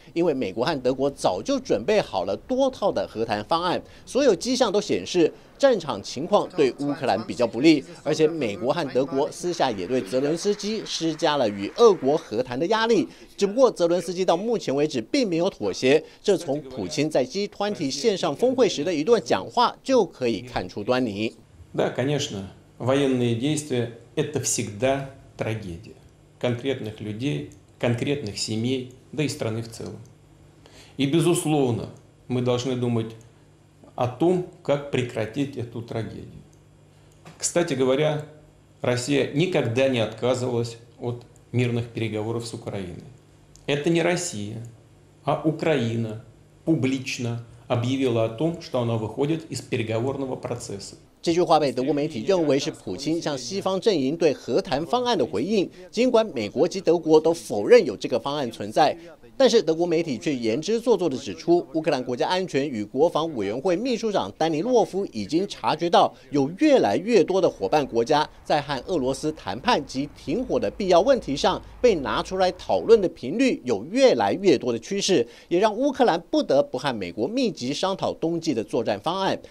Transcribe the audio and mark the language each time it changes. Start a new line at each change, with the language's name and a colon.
Chinese: 因为美国和德国早就准备好了多套的和谈方案，所有迹象都显示战场情况对乌克兰比较不利，而且美国和德国私下也对泽伦斯基施加了与俄国和谈的压力，只不过泽伦斯基到目前为止并没有妥协，这从普京在G20线上峰会时的一段讲话就可以看出端倪。
Russian: Да, конечно, военные действия – это всегда трагедия конкретных людей, конкретных семей, да и страны в целом. И безусловно, мы должны думать о том, как прекратить эту трагедию. Кстати говоря, Россия никогда не отказывалась от мирных переговоров с Украиной. Это не Россия, а Украина публично объявила о том, что она выходит из переговорного процесса.
Chinese: 这句话被德国媒体认为是普京向西方阵营对和谈方案的回应，尽管美国及德国都否认有这个方案存在，但是德国媒体却言之凿凿地指出，乌克兰国家安全与国防委员会秘书长丹尼洛夫已经察觉到有越来越多的伙伴国家在和俄罗斯谈判及停火的必要问题上被拿出来讨论的频率有越来越多的趋势，也让乌克兰不得不和美国密集商讨冬季的作战方案。